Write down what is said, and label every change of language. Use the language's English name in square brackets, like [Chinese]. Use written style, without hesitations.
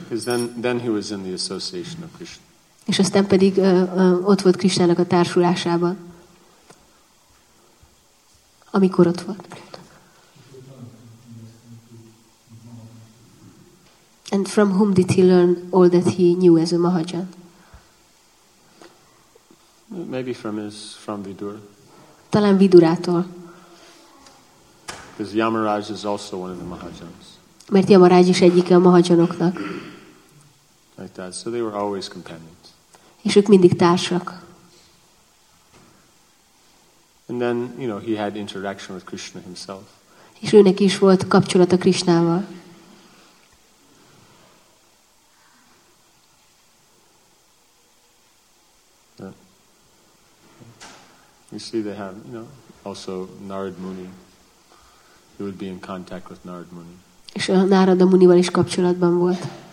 [English] Because then he was in the association of Krishna. [Hungarian] És aztán pedig ott volt Krishnának a társulásában. Amikor ott volt. [English] And from whom did he learn all that he knew as a Mahajan? Maybe from Vidur. [Hungarian] Talán Vidurától. [English] Because Yamaraj is also one of the Mahajans. [Hungarian] Mert Yamaraj is egyike a Mahajanoknak. [English] Like that. So they were always companions. [Hungarian] És ők mindig társak. [English] And then, you know, he had interaction with Krishna himself. [Hungarian] És őnek is volt kapcsolata Krishnával. [English] You see, they have, you know, also Narad Muni. He would be in contact with Narad Muni. [Hungarian] És a Narada Munival is kapcsolatban volt.